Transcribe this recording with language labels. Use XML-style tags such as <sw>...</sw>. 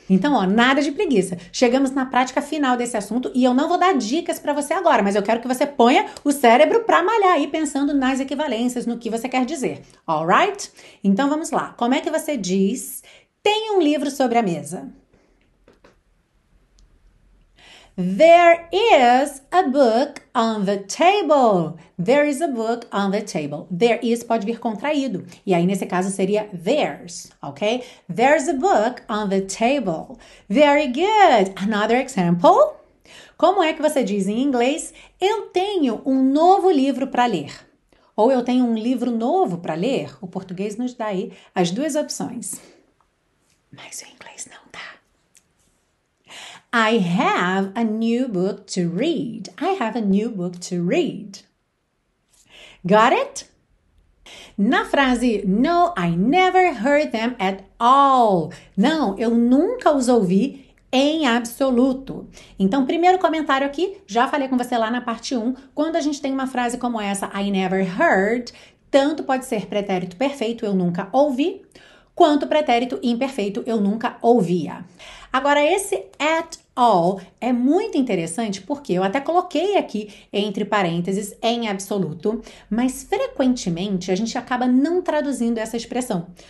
<pt>Então, ó, nada de preguiça. Chegamos na prática final desse assunto. E eu não vou dar dicas para você agora, mas eu quero que você ponha o cérebro para malhar aí pensando nas equivalências, no que você quer dizer.</pt> <en>All right?</en> <pt>Então vamos lá. Como é que você diz: tem um livro sobre a mesa?</pt> <en>There is a book on the table. There is a book on the table.</en> <pt>There is pode vir contraído. E aí, nesse caso, seria there's, ok?</pt> <en>There's a book on the table. Very good. Another example.</en> <pt>Como é que você diz em inglês? Eu tenho um novo livro para ler. Ou eu tenho um livro novo para ler? O português nos dá aí as duas opções. Mas o inglês não dá.</pt> <en>I have a new book to read. I have a new book to read. Got it?</en> <pt>Na frase</pt> <en>No, I never heard them at all.</en> <pt>Não, eu nunca os ouvi. Em absoluto. Então, primeiro comentário aqui, já falei com você lá na parte 1. Quando a gente tem uma frase como essa,</pt> <en>I never heard,</en> <pt>tanto pode ser pretérito perfeito, eu nunca ouvi, quanto pretérito imperfeito, eu nunca ouvia. Agora, esse at all é muito interessante porque eu até coloquei aqui entre parênteses em absoluto, mas frequentemente a gente acaba não traduzindo essa expressão.</pt>